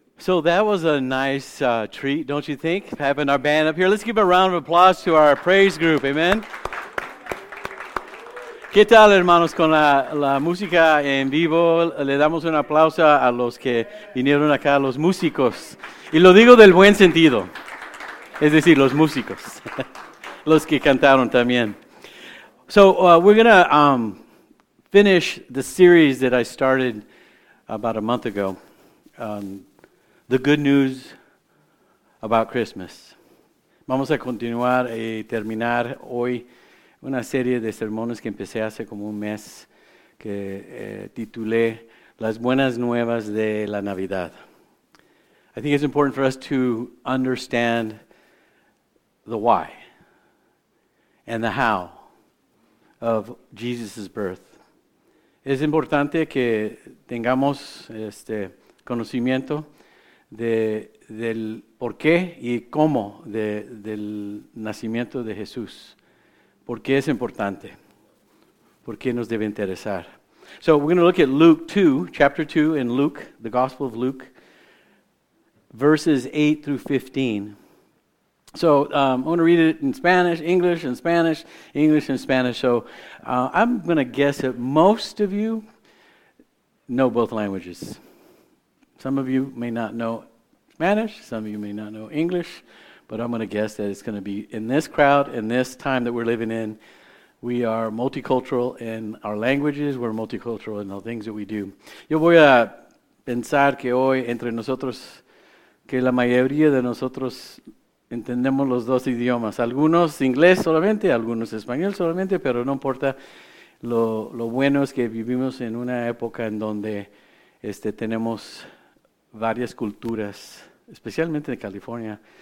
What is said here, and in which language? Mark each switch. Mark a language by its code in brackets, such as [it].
[en] So that was a nice treat, don't you think, having our band up here? Let's give a round of applause to our praise group. Amen. [es] ¿Qué tal, hermanos, con la música en vivo? Le damos un aplauso a los que vinieron acá, los músicos. Y lo digo del buen sentido. Es decir, los músicos. Los que cantaron también. [en] So we're going to finish the series that I started about a month ago. The good news about Christmas. [es] Vamos a continuar y terminar hoy una serie de sermones que empecé hace como un mes que titulé Las Buenas Nuevas de la Navidad. [en] I think it's important for us to understand the why and the how of Jesus' birth. [es] Es importante que tengamos este conocimiento del por qué y cómo del nacimiento de Jesús. ¿Por qué es importante? ¿Por qué nos debe interesar? [en] So we're going to look at Luke 2, chapter 2 in Luke, the Gospel of Luke, verses 8 through 15. So I'm going to read it in Spanish, English and Spanish, English and Spanish. So I'm going to guess that most of you know both languages. Some of you may not know Spanish, some of you may not know English, but I'm going to guess that it's going to be in this crowd, in this time that we're living in, we are multicultural in our languages, we're multicultural in the things that we do. [es] Yo voy a pensar que hoy entre nosotros, que la mayoría de nosotros entendemos los dos idiomas. Algunos inglés solamente, algunos español solamente, pero no importa. Lo bueno es que vivimos en una época en donde tenemos varias culturas, especialmente de California.